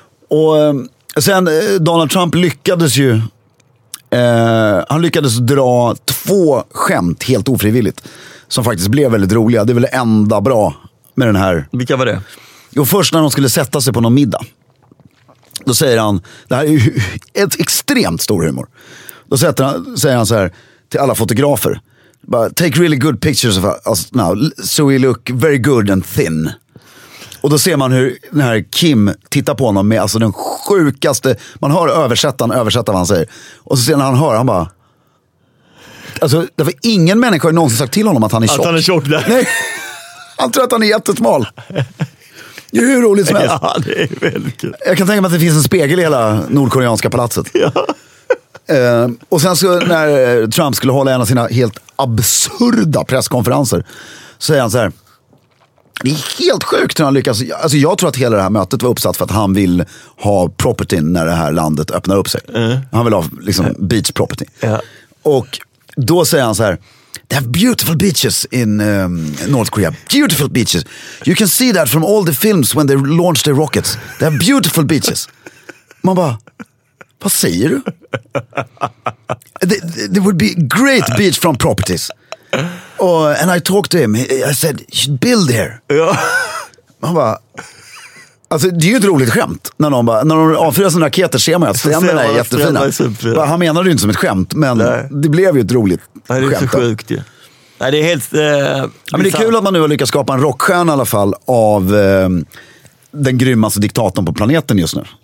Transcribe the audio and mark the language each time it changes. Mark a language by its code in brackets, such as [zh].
[sv] Och sen, Donald Trump lyckades ju, han lyckades dra två skämt helt ofrivilligt. Som faktiskt blev väldigt roliga, det är väl enda bra med den här. Vilka var det? Jo, först när de skulle sätta sig på någon middag. Då säger han, det här är ju ett extremt stor humor. Då säger han så här till alla fotografer. [en] "Take really good pictures of us now, so we look very good and thin." [sv] Och då ser man hur den här Kim tittar på honom med alltså den sjukaste. Man hör översättaren översätta vad han säger. Och så ser han, han bara. Alltså, det var ingen människa har någonsin sagt till honom att han är tjock. Att han är tjock där. Nej, han tror att han är jättesmal. Det är hur roligt som helst. Ja, det är väldigt kul. Jag kan tänka mig att det finns en spegel i hela nordkoreanska palatset. Ja. Och sen så när Trump skulle hålla en av sina helt absurda presskonferenser så säger han så här. Det är helt sjukt hur han lyckas. Alltså jag tror att hela det här mötet var uppsatt för att han vill ha property när det här landet öppnar upp sig. Mm. Han vill ha liksom [en] beach property. [sv] Ja. Och då säger han så här. [en] "They have beautiful beaches in North Korea. Beautiful beaches. You can see that from all the films when they launch their rockets. They have beautiful beaches." [sv] Man bara, vad säger du? [en] "There would be great beachfront properties." And I talked to him. I said, "You should build here." [sv] Ja. Man bara, Alltså det är ju ett roligt skämt när någon bara, när de avfyrar sina raketer ser man att stämmerna är jättefina. Bara, han menade ju inte som ett skämt, men det blev ju ett roligt skämt. Det är så sjukt ju. Nej, det är helt ja, men det är kul att man nu har lyckats skapa en rockstjärna i alla fall av den grymmaste diktatorn på planeten just nu.